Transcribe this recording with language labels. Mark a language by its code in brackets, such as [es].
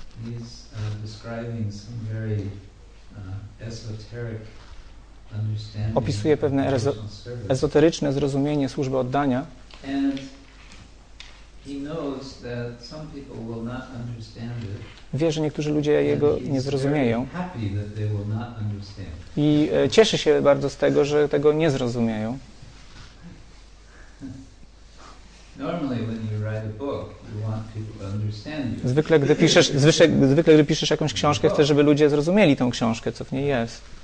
[en] he's describing some very esoteric understanding. [pl] Opisuje pewne ezoteryczne zrozumienie służby oddania. [en] And he knows that some people will not understand it. [pl] Wie, że niektórzy ludzie jego nie zrozumieją. [en] Happy that they will not understand. [pl] I cieszy się bardzo z tego, że tego nie zrozumieją. [en] Normally when you write a book, you want people to understand you. [pl] Zwykle gdy piszesz jakąś książkę, chcesz, żeby ludzie zrozumieli tą książkę, co w niej jest.